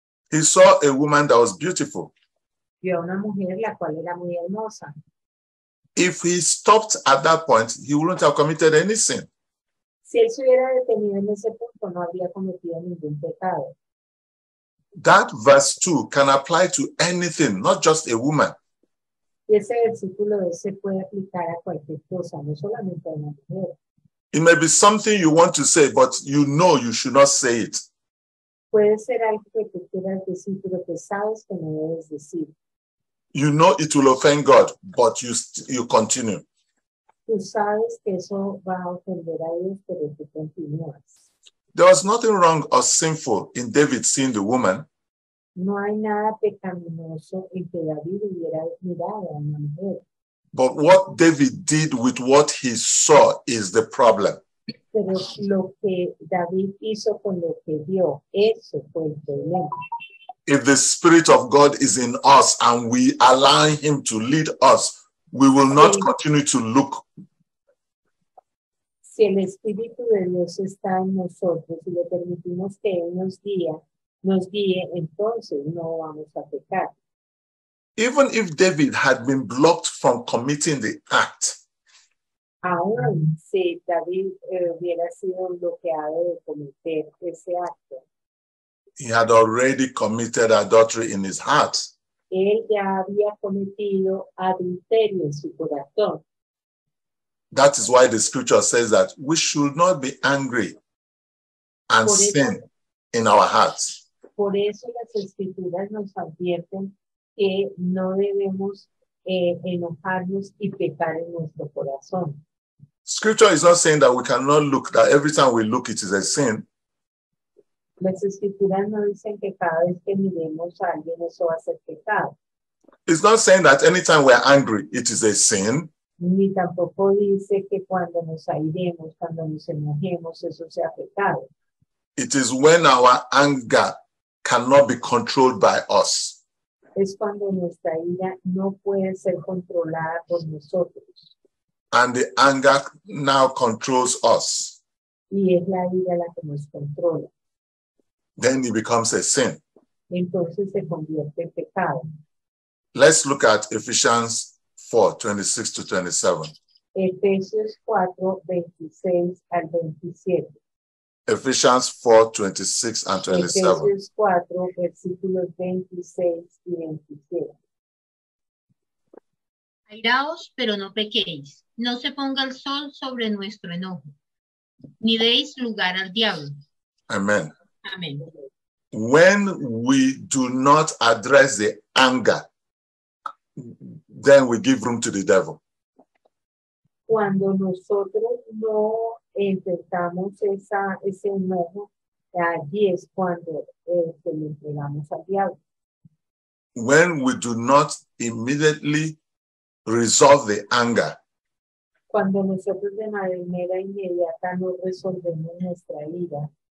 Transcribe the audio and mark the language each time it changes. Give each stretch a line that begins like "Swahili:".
English: He saw a woman that was beautiful.
Spanish: Vio a una mujer la cual era muy hermosa.
English: If he stopped at that point, he wouldn't have committed any sin.
Spanish: Si él se hubiera detenido en ese punto, no habría cometido ningún pecado.
English: That verse 2 can apply to anything, not just a woman.
Spanish: Y ese versículo se puede aplicar a cualquier cosa, no solamente a una mujer.
English: It may be something you want to say, but you know you should not say it.
Spanish: Puede ser algo que tú quieras decir, pero que sabes que no debes decir.
English: You know it will offend God, but you continue.
Spanish: Tú sabes que eso va a ofender a Dios, pero tú continúas.
English: There was nothing wrong or sinful in David seeing the woman.
Spanish: No hay nada pecaminoso en que David hubiera mirado a una mujer.
English: But what David did with what he saw is the problem.
Spanish: Pero lo que David hizo con lo que vio, eso fue el problema.
English: If the Spirit of God is in us and we allow Him to lead us, we will not continue to look.
Spanish: Si el Espíritu de Dios está en nosotros y le permitimos que Él nos guíe, entonces no vamos a pecar.
English: Even if David had been blocked from committing the act,
Spanish: aún si David hubiera sido bloqueado de cometer ese acto,
English: he had already committed adultery in his heart.
Spanish: Él ya había cometido adulterio en su corazón.
English: That is why the scripture says that we should not be angry and sin in our hearts.
Spanish: Por eso las escrituras nos advierten que no debemos enojarnos y pecar en nuestro corazón.
English: Scripture is not saying that we cannot look, that every time we look it is a sin.
Spanish: Las escrituras no dicen que cada vez que miremos a alguien eso va a ser pecado.
English: It's not saying that anytime we're angry, it is a sin.
Spanish: Ni tampoco dice que cuando nos airemos, cuando nos enojemos, eso sea pecado.
English: It is when our anger cannot be controlled by us.
Spanish: Es cuando nuestra ira no puede ser controlada por nosotros.
English: And the anger now controls us.
Spanish: Y es la ira la que nos controla.
English: Then it becomes a sin.
Spanish: Entonces se convierte en pecado.
English: Let's look at Ephesians 4, 26 to 27. Ephesians 4, 26 and 27. Ephesians 4, 26 and 27.
Spanish: Ephesians 4, versículos 26 y 27. Airaos, pero no pequéis. No se ponga el sol sobre nuestro enojo. Ni deis lugar al diablo. Amen. Amen.
English: When we do not address the anger, then we give room to the devil.
Spanish: Cuando nosotros no enfrentamos ese enojo, allí es cuando se lo entregamos al diablo.
English: When we do not immediately resolve the anger,
Spanish: cuando nosotros de manera inmediata no resolvemos nuestra ira,